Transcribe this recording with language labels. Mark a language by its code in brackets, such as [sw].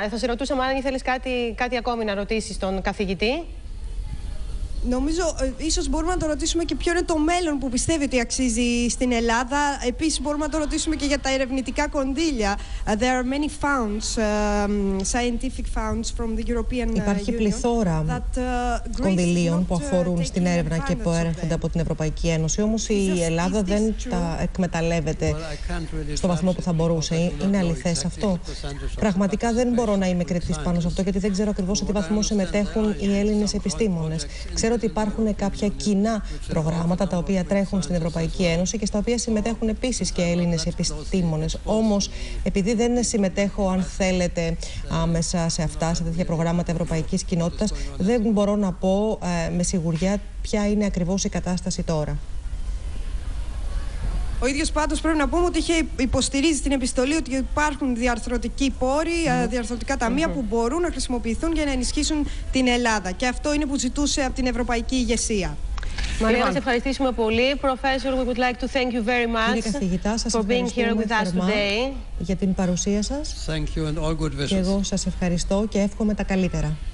[el] Θα σε ρωτούσαμε αν ήθελες κάτι ακόμη να ρωτήσεις τον καθηγητή. Νομίζω, ίσως μπορούμε να το ρωτήσουμε και ποιο είναι το μέλλον που πιστεύει ότι αξίζει στην Ελλάδα. Επίσης, μπορούμε να το ρωτήσουμε και για τα ερευνητικά κονδύλια. [en] There are many funds, scientific funds from the European Union. [el] Υπάρχει πληθώρα κονδυλίων που αφορούν στην έρευνα και που έρχονται από την Ευρωπαϊκή Ένωση. Όμως η Ελλάδα δεν τα εκμεταλλεύεται στο βαθμό που θα μπορούσε. Είναι αληθές αυτό? Πραγματικά δεν μπορώ να είμαι κριτής πάνω σε αυτό, γιατί δεν ξέρω ακριβώς σε τι βαθμό συμμετέχουν οι Έλληνες επιστήμονες. Ξέρω ότι υπάρχουν κάποια κοινά προγράμματα τα οποία τρέχουν στην Ευρωπαϊκή Ένωση και στα οποία συμμετέχουν επίσης και Έλληνες επιστήμονες. Όμως, επειδή δεν συμμετέχω, αν θέλετε, άμεσα σε αυτά, σε τέτοια προγράμματα ευρωπαϊκής κοινότητας, δεν μπορώ να πω με σιγουριά ποια είναι ακριβώς η κατάσταση τώρα. Ο ίδιος πάντως πρέπει να πούμε ότι είχε υποστηρίζει την επιστολή ότι υπάρχουν διαρθρωτικοί πόροι, διαρθρωτικά ταμεία που μπορούν να χρησιμοποιηθούν για να ενισχύσουν την Ελλάδα. Και αυτό είναι που ζητούσε από την ευρωπαϊκή ηγεσία. Θέλω να σας ευχαριστήσουμε πολύ. [en] Professor, we would like to thank you very much for being here with us today. [el] Για την παρουσία σας. [en] Thank you and all good wishes. [el] Και εγώ σας ευχαριστώ και εύχομαι τα καλύτερα.